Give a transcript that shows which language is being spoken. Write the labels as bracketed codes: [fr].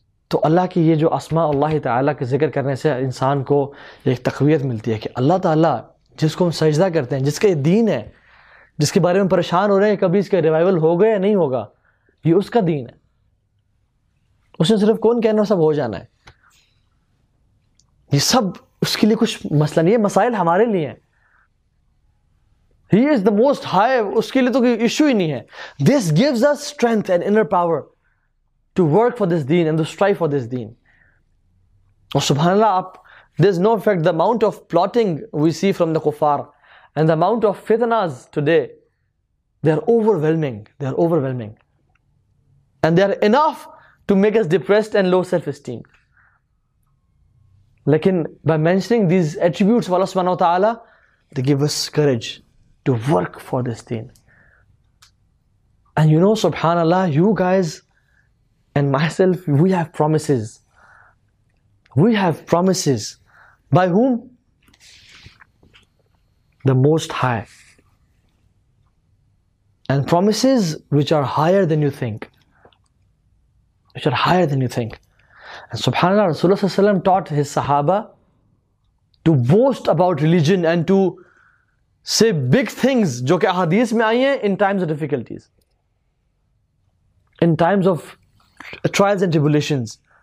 [ur] تو اللہ کی یہ جو اسماء اللہ تعالیٰ کے ذکر کرنے سے انسان کو ایک تقویت ملتی ہے کہ اللہ تعالیٰ جس کو ہم سجدہ کرتے ہیں، جس کا یہ دین ہے، جس کے بارے میں پریشان ہو رہے ہیں کبھی اس کا ریوائول ہوگا یا نہیں ہوگا، یہ اس کا دین ہے، اس نے صرف کون کہنا سب ہو جانا ہے، یہ سب اس کے لیے کچھ مسئلہ نہیں ہے، مسائل ہمارے لیے ہیں، [en] he is the most high, [ur] اس کے لیے تو کوئی ایشو ہی نہیں ہے. [en] This gives us strength and inner power to work for this دین and to strive for this دین. اور سبحان اللہ، آپ there is no effect the amount of plotting we see from the کفار and the amount of فتناز today, they are overwhelming, they are overwhelming and they are enough to make us depressed and low self esteem. لیکن by mentioning these attributes اللہ سبحانہ وتعالیٰ، they gave us courage to work for this دین. And you know سبحان اللہ، you guys and myself, we have promises, we have promises by whom? The most high, and promises which are higher than you think, which are higher than you think. And subhanallah, Rasulullah sallallahu alaihi wasallam taught his sahaba to boast about religion and to say big things [ur] jo ke ahadees mein aaye hain [en] in times of difficulties, in times of trials and tribulations.